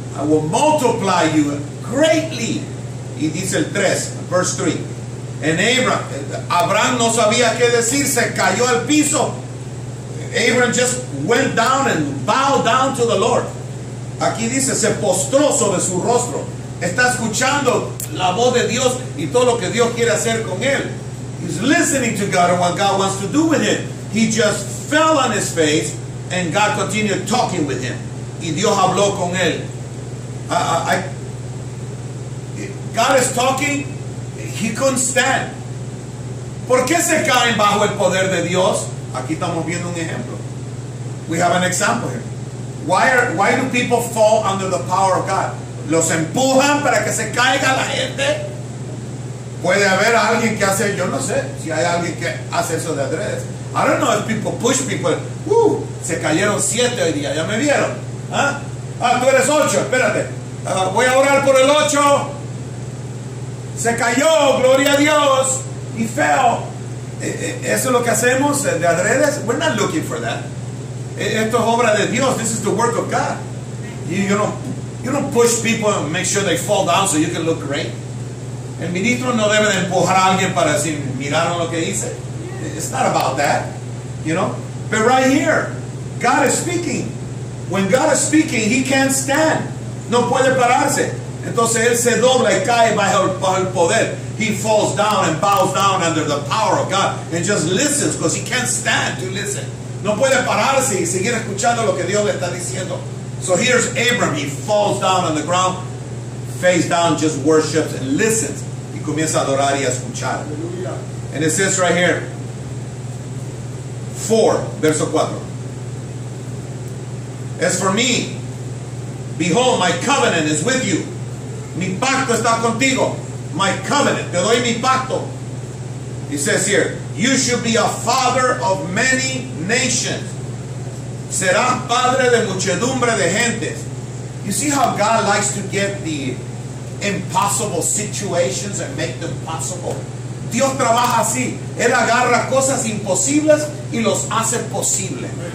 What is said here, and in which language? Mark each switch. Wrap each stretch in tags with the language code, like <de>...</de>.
<en>I will multiply you greatly.</en> <es>Y dice el 3,</es> <en>verse 3.</en> <es>And Abraham no sabía qué decir, se cayó al piso.</es> <en>Abraham just went down and bowed down to the Lord.</en> <es>Aquí dice, se postró sobre su rostro. Está escuchando la voz de Dios y todo lo que Dios quiere hacer con él.</es> <en>He's listening to God and what God wants to do with him. He just fell on his face and God continued talking with him.</en> <es>Y Dios habló con él.</es> <en>God is talking. He couldn't stand.</en> <es>¿Por qué se caen bajo el poder de Dios? Aquí estamos viendo un ejemplo.</es> <en>We have an example here. Why do people fall under the power of God?</en> <es>¿Los empujan para que se caiga la gente? Puede haber alguien que hace, yo no sé si hay alguien que hace eso de adrede.</es> <en>I don't know if people push people.</en> <es>Se cayeron 7 hoy día, ya me vieron. Tú eres 8, espérate. Voy a orar por el 8. Se cayó, gloria a Dios.</es> <en>He fell.</en> <es>Eso es lo que hacemos de adrede.</es> <en>We're not looking for that.</en> <es>Esto es obra de Dios.</es> <en>This is the work of God. You don't push people and make sure they fall down so you can look great.</en> <es>El ministro no debe de empujar a alguien para decir, miraron lo que dice.</es> <en>It's not about that, you know. But right here, God is speaking. When God is speaking, he can't stand.</en> <es>No puede pararse. Entonces él se dobla y cae bajo el poder.</es> <en>He falls down and bows down under the power of God and just listens because he can't stand to listen.</en> <es>No puede pararse y seguir escuchando lo que Dios le está diciendo.</es> <en>So here's Abram. He falls down on the ground. Face down, just worships and listens.</en> <es>Y comienza a adorar y a escuchar.</es> <en>Hallelujah. And it says right here, 4, verso 4. As for me, behold, my covenant is with you.</en> <es>Mi pacto está contigo.</es> <en>My covenant,</en> <es>te doy mi pacto.</es> <en>It says here, you should be a father of many nations.</en> <es>Serás padre de muchedumbre de gentes.</es> <en>You see how God likes to get the impossible situations and make them possible.</en> <es>Dios trabaja así. Él agarra cosas imposibles y los hace posible.</es>